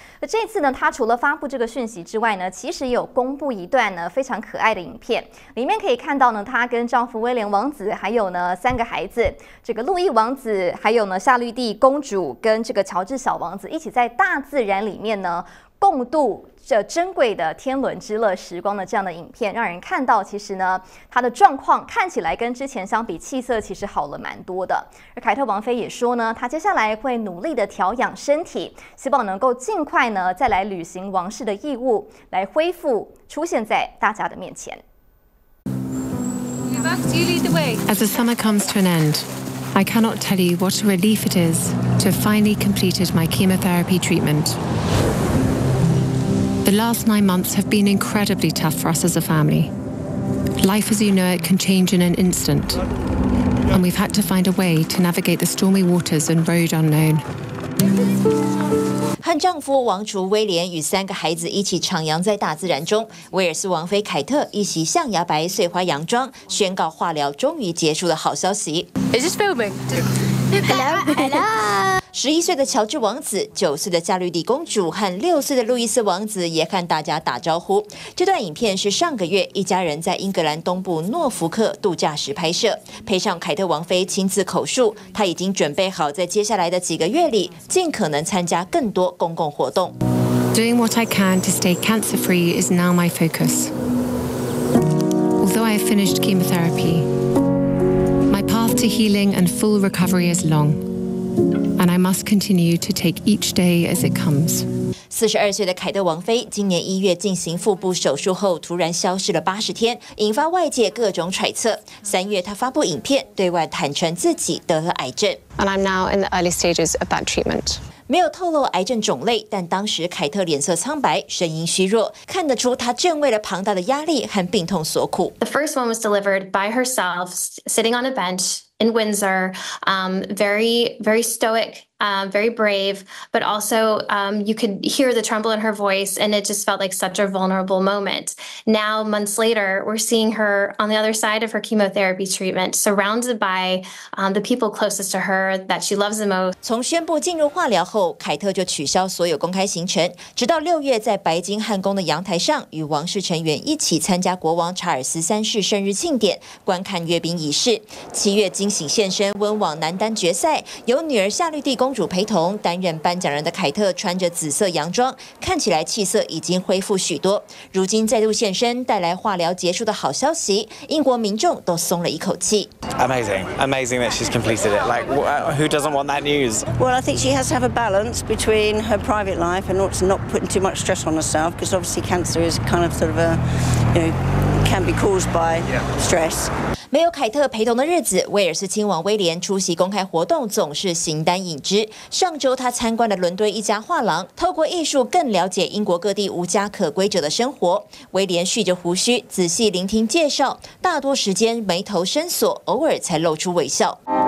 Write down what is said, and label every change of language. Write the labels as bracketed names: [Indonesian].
[Chinese] 而这次呢，他除了发布这个讯息之外呢，其实也有公布一段呢非常可爱的影片，里面可以看到呢他跟丈夫威廉王子还有呢3个孩子，这个路易王子还有呢夏绿蒂公主跟这个乔治小王子一起在大自然里面呢共度这珍贵的天伦之乐时光的这样的影片，让人看到其实呢他的状况看起来跟之前相比气色其实好了蛮多的。而凯特王妃也说呢，他接下来会努力的调养身体，希望能够尽快呢再来履行王室的义务，来恢复出现在大家的面前。 [English] As the summer comes to an end, I cannot tell you what a relief it is to have finally completed my chemotherapy treatmentThe last 9 months have been incredibly tough for us as a family. Life as you know it can change in an instant, and we've had to find a way to navigate the stormy waters and road unknown. [Chinese] 和丈夫王储威廉与3个孩子一起徜徉在大自然中，威尔斯王妃凯特一袭象牙白碎花洋装，宣告化疗终于结束的好消息。 [English] Is this filming? Hello. [Chinese] 11岁的乔治王子、9岁的夏绿蒂公主和6岁的路易斯王子也和大家打招呼。这段影片是上个月一家人在英格兰东部诺福克度假时拍摄，配上凯特王妃亲自口述，她已经准备好在接下来的几个月里尽可能参加更多公共活动。 [English] Doing what I can to stay cancer-free is now my focus. Although I have finished chemotherapy, my path to healing and full recovery is long. And I must continue to take each day as it comes. [Chinese] 42岁的凯特王妃今年1月进行腹部手术后，突然消失了80天，引发外界各种揣测。 3月，她发布影片，对外坦诚自己得了癌症。 [English] And I'm now in the early stages of that treatment. [Chinese] 没有透露癌症种类，但当时凯特脸色苍白，声音虚弱，看得出她正为了庞大的压力和病痛所苦。 [English] The first one was delivered by herself, sitting on a bench in Windsor, very, very stoic, very brave, but also you could hear the tremble in her voice, and it just felt like such a vulnerable moment. Now, months later, we're seeing her on the other side of her chemotherapy treatment, surrounded by the people closest to her that she loves the most. [Chinese] 从宣布进入化疗后，凯特就取消所有公开行程，直到六月在白金汉宫的阳台上与王室成员一起参加国王查尔斯三世生日庆典，观看阅兵仪式。七月惊醒现身温网男单决赛，由女儿夏绿蒂公主陪同，担任颁奖人的凯特穿着紫色洋装，看起来气色已经恢复许多。如今再度现身，带来化疗结束的好消息，英国民众都松了一口气。 [English] Amazing, amazing that she's completed it. Like, who doesn't want that news? Well, I think she has to have a balance between her private life and not putting too much stress on herself, because obviously cancer is kind of sort of a, you know, can be caused by stress. [Chinese] 没有凯特陪同的日子，威尔斯亲王威廉出席公开活动总是形单影只。上周他参观了伦敦一家画廊，透过艺术更了解英国各地无家可归者的生活。威廉蓄着胡须，仔细聆听介绍，大多时间眉头深锁，偶尔才露出微笑。